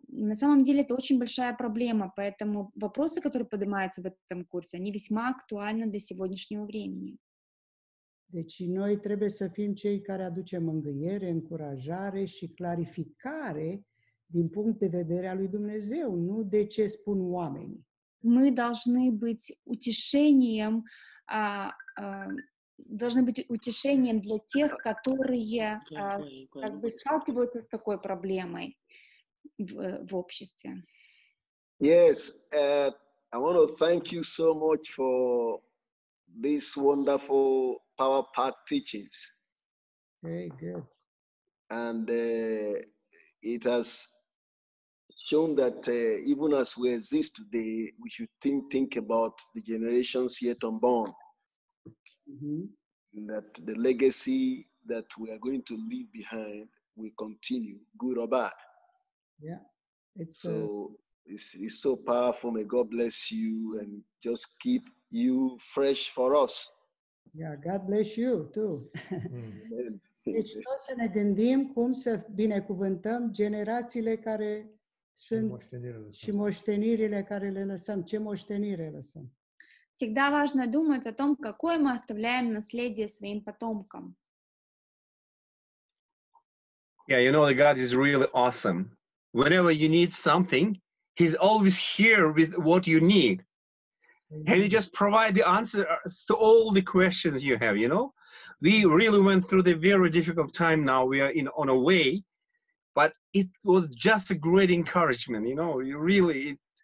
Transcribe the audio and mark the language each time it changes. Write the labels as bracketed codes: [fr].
[ru] На самом деле это очень большая проблема, поэтому вопросы, которые поднимаются в этом курсе, они весьма актуальны для сегодняшнего времени. [ro] Deci noi trebuie să fim cei care aducem mângâiere, încurajare și clarificare din punct de vedere al lui Dumnezeu, nu de ce spun oamenii. [ru] Мы должны быть утешением, должны быть утешением для тех, которые как бы сталкиваются с такой проблемой в обществе. [en] Yes, I want to thank you so much for this wonderful power-packed teachings. Very good. And it has shown that even as we exist today, we should think about the generations yet unborn. Mm-hmm. That the legacy that we are going to leave behind will continue, good or bad. Yeah, it's so it's so powerful. May God bless you and just keep you fresh for us. Yeah, God bless you too. [ro] Deci, toți să ne gândim cum să binecuvântăm generațiile care Și moștenirile care le lăsăm. Ce moștenire lăsăm? [ru] Всегда важно думать о том, какое мы оставляем наследие своим потомкам. [en] Yeah, you know, God is really awesome. Whenever you need something, he's always here with what you need. And he just provides the answers to all the questions you have, you know? We really went through the very difficult time now. We are in on a way, but it was just a great encouragement, you know? You really...